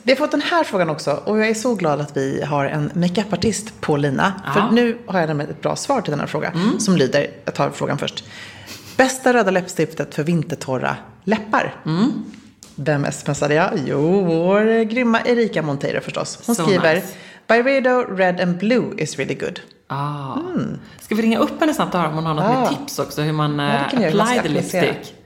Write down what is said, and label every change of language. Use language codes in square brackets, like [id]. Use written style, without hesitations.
[sv] Vi har fått den här frågan också. Och jag är så glad att vi har en makeupartist på Lina. För nu har jag med ett bra svar till den här frågan. Som lyder, jag tar frågan först. Bästa röda läppstiftet för vintertorra läppar. Vem smsade jag? Jo, vår grymma Erika Monteiro förstås. Hon skriver, nice. [en] Byredo Red and Blue is really good. [sv] Ah. Mm. Ska vi ringa upp henne snabbt och höra om hon har något med tips också, hur man [en] apply the lipstick?